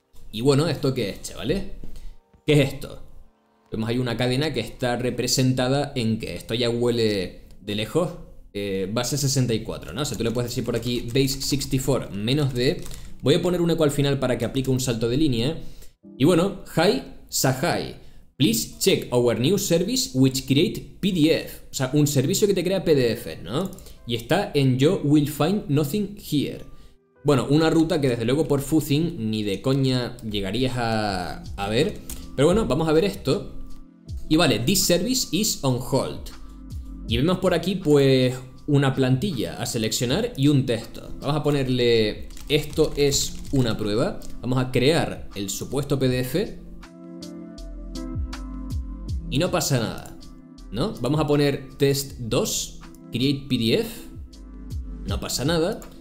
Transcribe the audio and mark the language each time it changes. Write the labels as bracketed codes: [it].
[es] Y bueno, ¿esto qué es, chavales? ¿Qué es esto? Vemos ahí una cadena que está representada en que esto ya huele de lejos. Base 64, ¿no? O sea, tú le puedes decir por aquí base64-d. Voy a poner un eco al final para que aplique un salto de línea. Y bueno, hi, Sahai. [en] Please check our new service which create PDF. [es] O sea, un servicio que te crea PDF, ¿no? Y está en [en] yo will find nothing here. [es] Bueno, una ruta que desde luego por Fuzzing ni de coña llegarías a ver. Pero bueno, vamos a ver esto. Y vale, [en] this service is on hold. [es] Y vemos por aquí, pues, una plantilla a seleccionar y un texto. Vamos a ponerle, esto es una prueba. Vamos a crear el supuesto PDF. Y no pasa nada, ¿no? Vamos a poner test 2, create PDF. No pasa nada.